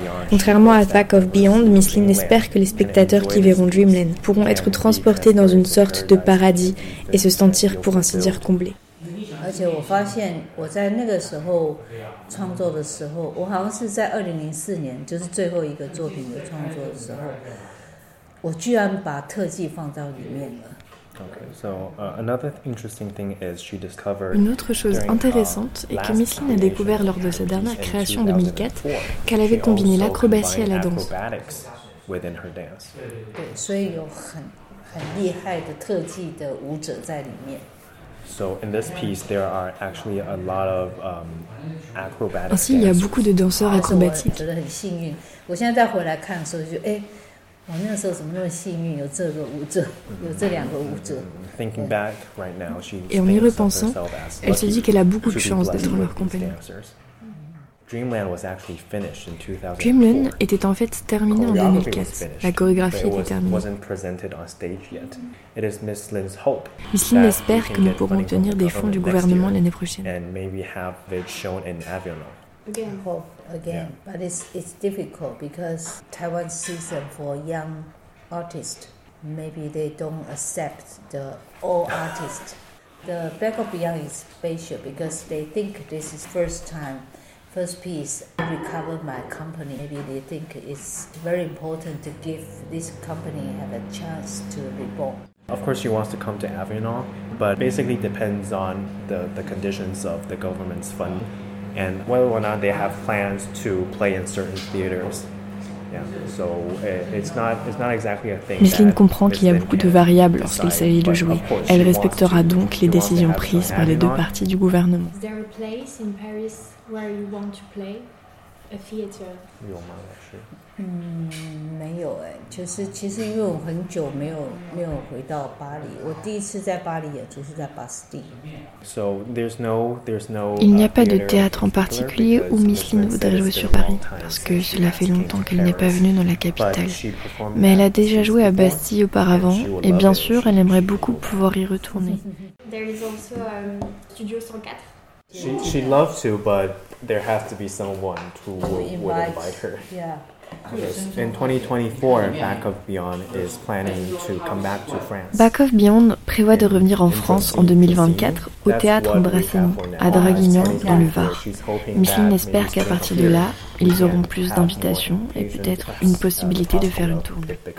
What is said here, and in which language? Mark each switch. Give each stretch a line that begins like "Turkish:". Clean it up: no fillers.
French: Contrairement à Back of Beyond, Miss Lin espère que les spectateurs qui verront Dreamland pourront être transportés dans une sorte de paradis et se sentir, pour ainsi dire, comblés.
Chinese: 而且我发现我在那个时候创作的时候，我好像是在2004年，就是最后一个作品的创作的时候，我居然把特技放到里面了。
English: Okay, so another interesting thing is she discovered.
French: Une autre chose intéressante est que Miss Lin a découvert lors de sa dernière création de 2004 qu'elle avait combiné l'acrobatie à la danse.
Chinese: 对，所以有很厉害的特技的舞者在里面。
English: So in this piece, there are actually a lot of acrobatic.
French: Ainsi, il y a beaucoup de danseurs acrobatiques.
Chinese: 我觉得很幸运。我现在再回来看的时候，就哎，我那个时候怎么那么幸运，有这个舞者，有这两个舞者。
English: Thinking back right now, she.
French: Et en y repensant, elle se dit qu'elle a beaucoup de chance d'être en leur compagnie.
English: Dreamland was actually finished in 2004.
French: Dreamland était en fait terminé en 2004. La chorégraphie était terminée.
English: Wasn't presented on stage yet. It is Miss Lin's hope.
French: Miss Lin espère que nous pourrons obtenir des fonds du gouvernement l'année prochaine.
English: And maybe have it shown in Avignon. Again, hope again, yeah. But it's difficult because Taiwan's system for young artists, maybe they don't accept the old artists. The Back of Beyond is special because they think this is first time. First piece, I recovered my company. Maybe they think it's very important to give this company have a chance to reborn. Of course, she wants to come to Avignon, but basically depends on the conditions of the government's fund and whether or not they have plans to play in certain theaters. Yeah, so it's not exactly a thing.
French: Miss Lin comprend qu'il y a beaucoup de variables lorsqu'il s'agit de jouer. Elle respectera donc les décisions prises par les deux parties du gouvernement.
English: Is there a place in Paris where you want to play a theater?
Chinese: 有吗？老师？没有哎，就是其实因为我很久没有回到巴黎，我第一次在巴黎也就是在巴斯蒂。
English: So there's no.
French: Il n'y a pas de théâtre en particulier où Miss Lin voudrait jouer sur Paris, parce que cela fait longtemps qu'elle n'est pas venue dans la capitale. Mais elle a déjà joué à Bastille auparavant, et bien sûr, elle aimerait beaucoup pouvoir y retourner.
English: There is also Studio 104. She'd love to, but there has to be someone who would invite her. Yeah. In 2024, Back of Beyond is planning to come back to France.
French: Back of Beyond prévoit de revenir en France en 2024 au théâtre Brassens, à Draguignan, dans le Var. Micheline espère qu'à partir de là, ils auront plus d'invitations et peut-être une possibilité de faire une tournée.